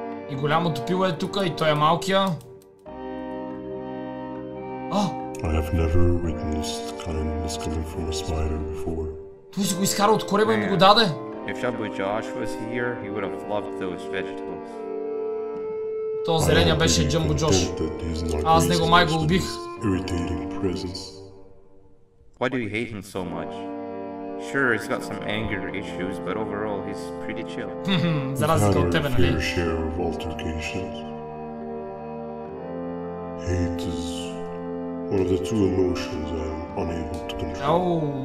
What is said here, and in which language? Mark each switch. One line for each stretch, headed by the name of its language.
Bulgarian: И голямото пиво е тука, и той е малкия. О!
English: I have never witnessed kindness coming from a spider before.
Bulgarian: Той си го изкара от корема и ми го даде.
English: If Shabu Josh was here, he would have loved those vegetables.
Bulgarian: Тоя зеления беше Джамбо Джош. Аз него май го убих.
English: Irritating presence. Why do you hate him so much? Sure, he's got some anger issues, but overall, he's pretty chill.
Bulgarian: Заразите от тебе, нали?
English: Fair share of altercations. Hate is one of the two emotions I'm unable to control.